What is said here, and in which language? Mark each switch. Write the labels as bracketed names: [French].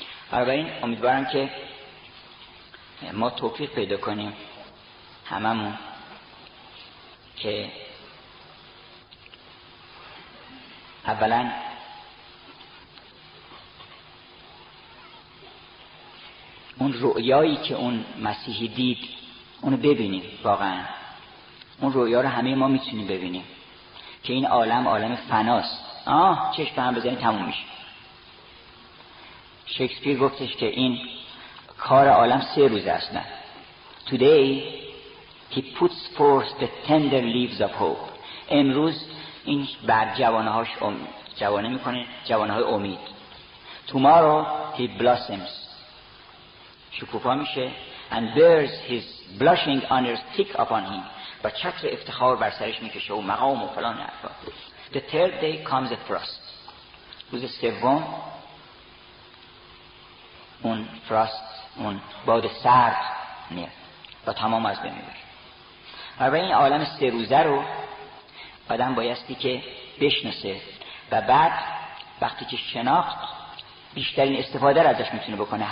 [Persian] برای این امیدوارم که ما توفیق پیدا کنیم هممون که اولا اون رؤیایی که اون مسیحی دید اونو ببینیم، واقعا اون رؤیا رو همه ما میتونیم ببینیم که این عالم عالم فناست. چشم به هم بزنی تموم میشه. شکسپیر گفتش که این کار عالم سه روز است. [English] Today he puts forth the tender leaves of hope. [Persian] امروز این بر جوانهاش جوانه میکنه، جوانهای امید. [English] Tomorrow he blossoms. [Persian] شکوفا میشه. [English] And bears his blushing honors thick upon him. [Persian] و چتر افتخار بر سرش میکشه و مقام و فلان حرفا. [English] The third day comes a frost. [Persian] روز سوم اون فراست، اون باد سرد میاد و تمام از بین میبره. و به این عالم سه روزه رو آدم بایستی که بشناسه و بعد وقتی که شناخت بیشترین استفاده رو ازش میتونه بکنه.